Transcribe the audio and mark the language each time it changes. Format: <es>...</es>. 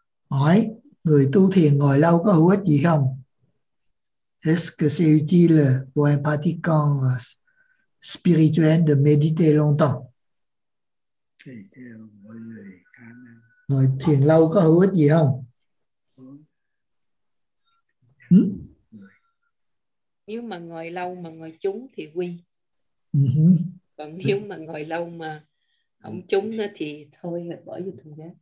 <vi>Hỏi, người tu thiền ngồi lâu có hữu ích gì không?</vi> <fr>Est-ce que c'est utile pour un pratiquant spirituel de méditer longtemps?</fr> <vi>Ngồi thiền lâu có hữu ích gì không? Nếu mà ngồi lâu mà ngồi chúng thì quy. Còn nếu mà ngồi lâu mà không chúng nữa thì thôi bỏ vô thùng rác.</vi>